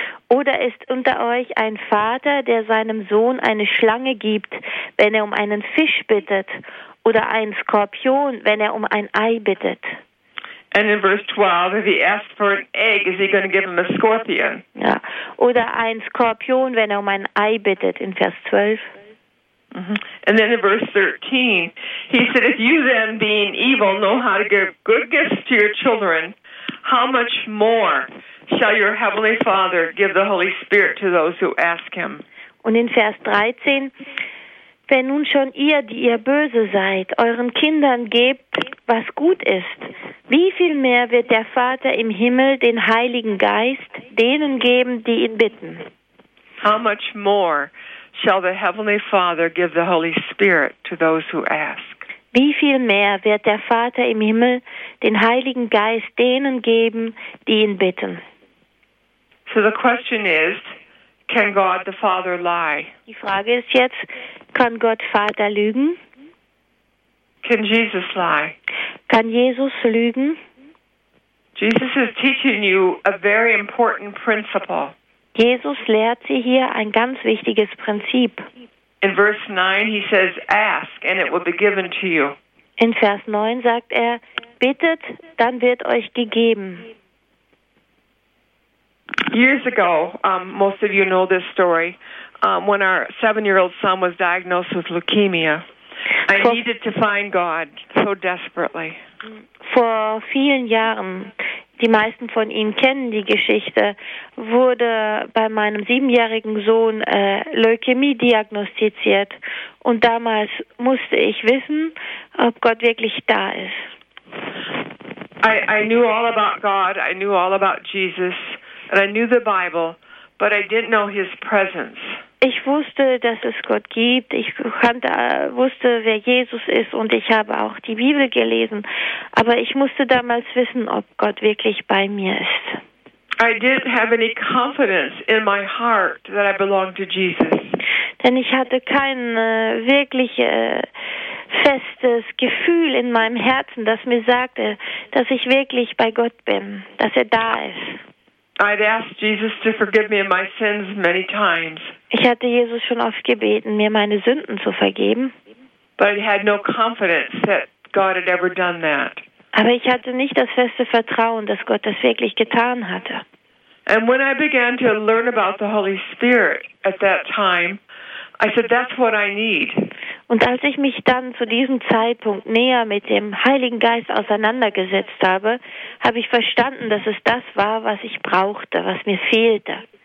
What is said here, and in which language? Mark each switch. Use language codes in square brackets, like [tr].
[de] Oder ist unter euch ein Vater, der seinem Sohn eine Schlange gibt, wenn er um einen Fisch bittet? Oder ein Skorpion, wenn er um ein Ei bittet? [en] And in verse 12, if he asks for an egg, is he going to give him a scorpion? [de] Ja. Oder ein Skorpion, wenn er um ein Ei bittet, in Vers 12. Mm-hmm. [en] And then in verse 13, he said, if you then, being evil, know how to give good gifts to your children, how much more shall your heavenly Father give the Holy Spirit to those who ask him? [de] Und in Vers 13, wenn nun schon ihr, die ihr böse seid, euren Kindern gebt, was gut ist, wie viel mehr wird der Vater im Himmel den Heiligen Geist denen geben, die ihn bitten? [en] How much more shall the Heavenly Father give the Holy Spirit to those who ask? [de] Wie viel mehr wird der Vater im Himmel den Heiligen Geist denen geben, die ihn bitten? [en] So the question is, can God the Father lie? [de] Die Frage ist jetzt, kann Gott Vater lügen? [en] Can Jesus lie? [de] Kann Jesus lügen? [en] Jesus is teaching you a very important principle. [de] Jesus lehrt sie hier ein ganz wichtiges Prinzip. [en] In verse 9 he says, ask and it will be given to you. [de] In Vers 9 sagt er, bittet, dann wird euch gegeben. [en] Years ago, most of you know this story, when our 7-year-old son was diagnosed with leukemia. I needed to find God so desperately. [de] Vor vielen Jahren, die meisten von Ihnen kennen die Geschichte, wurde bei meinem 7-jährigen Sohn Leukämie diagnostiziert. Und damals musste ich wissen, ob Gott wirklich da ist. [en] I knew all about God, I knew all about Jesus, and I knew the Bible, but I didn't know his presence. [de] Ich wusste, dass es Gott gibt. Ich wusste, wer Jesus ist, und ich habe auch die Bibel gelesen. Aber ich musste damals wissen, ob Gott wirklich bei mir ist. [en] I didn't have any confidence in my heart that I belonged to Jesus. [de] Denn ich hatte kein wirkliches festes Gefühl in meinem Herzen, das mir sagte, dass ich wirklich bei Gott bin, dass er da ist. [en] I'd asked Jesus to forgive me of my sins many times. [de] Ich hatte Jesus schon oft gebeten, mir meine Sünden zu vergeben. [en] But I had no confidence that God had ever done that. [de] Aber ich hatte nicht das feste Vertrauen, dass Gott das wirklich getan hatte. [en] And when I began to learn about the Holy Spirit at that time, I said, that's what I need. [de] Und als ich mich dann zu diesem Zeitpunkt näher mit dem Heiligen Geist auseinandergesetzt habe, habe ich verstanden, dass es das war, was ich brauchte, was mir fehlte.